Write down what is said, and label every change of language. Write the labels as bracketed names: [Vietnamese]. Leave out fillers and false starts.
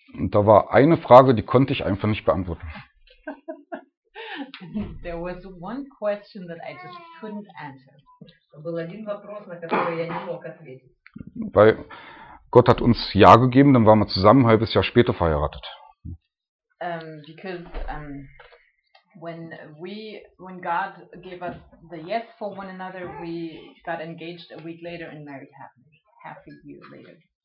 [German] Und da war eine Frage, die konnte ich einfach nicht beantworten. [English] There was one question that I just couldn't answer. [Russian] Был один вопрос, на который я не мог ответить. [German] Weil Gott hat uns Ja gegeben, dann waren wir zusammen ein halbes Jahr später verheiratet. [English] Because when God gave us the yes for one another, we got engaged a week later and married half a year later.